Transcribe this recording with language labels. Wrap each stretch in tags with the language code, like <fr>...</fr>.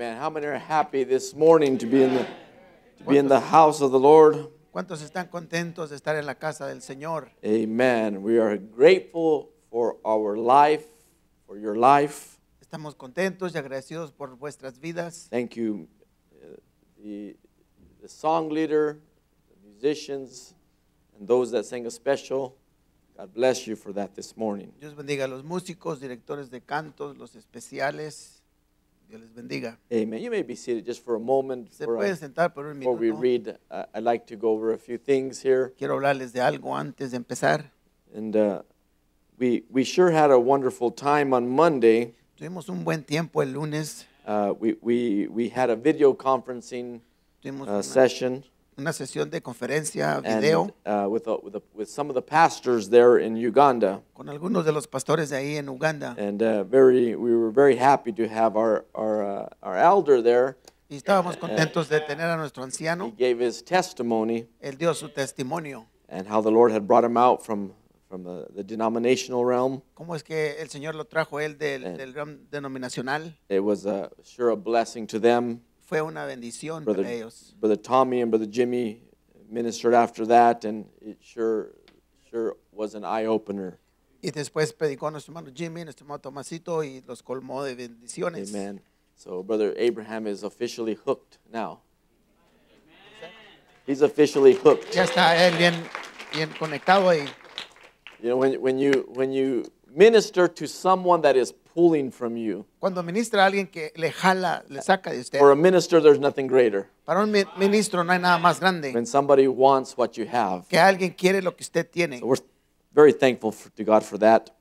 <en>This morning to be in the house of the Lord.</en> <es>¿Cuántos están contentos de estar en la casa del Señor?</es> <en>Amen. We are grateful for our life, for your life.</en> <es>Estamos contentos y agradecidos por vuestras vidas.</es> <en>Thank you, the song leader, the musicians, and those that sang a special. God bless you for that this morning.</en> <es>Dios bendiga a los músicos, directores de cantos, los especiales. Dios les bendiga.</es> <en>Amen. You may be seated just for a moment.</en> <es>Se puede sentar por un minuto.</es> <en>Before we read, I'd like to go over a few things here.</en> <es>Quiero hablarles de algo antes de empezar.</es> <en>And we sure had a wonderful time on Monday.</en> <es>Tuvimos un buen tiempo el lunes.</es> <en>We had a video conferencing session.</en> <es>Una sesión de conferencia video.</es> <en>With some of the pastors there in Uganda.</en> <es>Con algunos de los pastores de ahí en Uganda.</es> <en>And we were very happy to have our elder there.</en> <es>Y estábamos contentos de tener a nuestro anciano.</es> <en>He gave his testimony.</en> <es>Él dio su testimonio.</es> <en>And how the Lord had brought him out from the denominational realm.</en> <es>¿Cómo es que el Señor lo trajo él del ramo denominacional?</es> <en>It was sure a blessing to them.</en> <es>Fue una bendición</es> <en>brother,</en> <es>para ellos.</es> <en>Brother Tommy and Brother Jimmy ministered after that, and it sure was an eye opener.</en> <es>Y después predicó a nuestro hermano Jimmy, nuestro hermano Tomasito, y los colmó de bendiciones.</es> <en>Amen. So Brother Abraham is officially hooked now. Amen. He's officially hooked.</en> <es>Ya está él bien conectado ahí.</es> <en>You know, when you minister to someone that is pulling from you.</en> <es>Cuando ministra a alguien que le jala, le saca de usted.</es> <en>For a minister, there's nothing greater.</en> <es>Para un ministro no hay nada más grande.</es> <en>When somebody wants what you have.</en> <es>Que alguien quiere lo que usted tiene.</es> <en>So we're very thankful to God for that.</en>